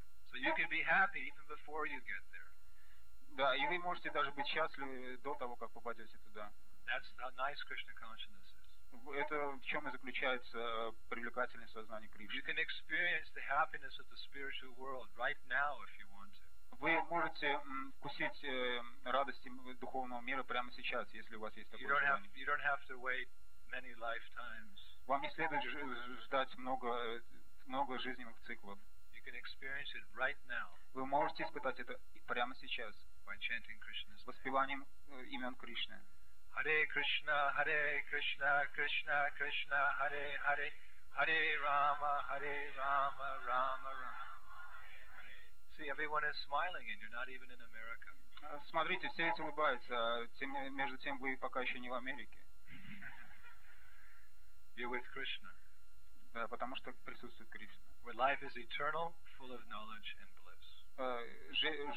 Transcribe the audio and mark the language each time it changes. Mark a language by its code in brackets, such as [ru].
[en] So you can be happy even before you get there. [ru] Да, и вы можете даже быть счастливы до того, как попадете туда. [en] That's how nice Krishna consciousness is. [ru] Это в чем и заключается привлекательность сознания Кришны. [en] You can experience the happiness of the spiritual world right now if you want to. [ru] Вы можете вкусить радости духовного мира прямо сейчас, если у вас есть такое желание. [en] You don't have to wait many lifetimes. [ru] Вам не следует ждать много жизненных циклов. [en] You can experience it right now. [ru] Вы можете испытать это прямо сейчас. [en] By chanting Krishna's name. [ru] Воспеванием имен Кришны. [sa] Hare Krishna, Hare Krishna, Krishna Krishna, Hare Hare, Hare Rama, Hare Rama, Rama Rama. [en] See, everyone is smiling, and you're not even in America. [ru] Смотрите, все эти улыбаются, между тем вы пока еще не в Америке. [en] You're with Krishna. [ru] Да, потому что присутствует Кришна. [en] Where life is eternal, full of knowledge and bliss.